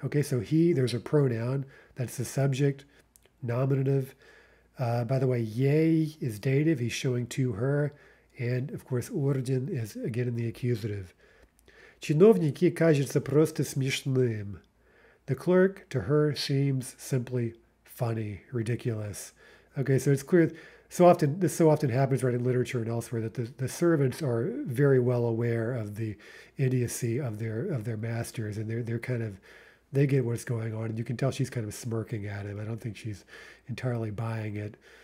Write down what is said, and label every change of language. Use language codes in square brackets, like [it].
[en] Okay, so he, there's a pronoun, that's the subject, nominative. By the way, ей is dative, he's showing to her. And, of course, орден is, again, in the accusative. [ru] Чиновники кажутся просто смешным. [en] The clerk, to her, seems simply funny, ridiculous. Okay, so it's clear. So often, this so often happens, right, in literature and elsewhere, that the servants are very well aware of the idiocy of their masters, and they're kind of, they get what's going on, and you can tell she's kind of smirking at him. I don't think she's entirely buying it.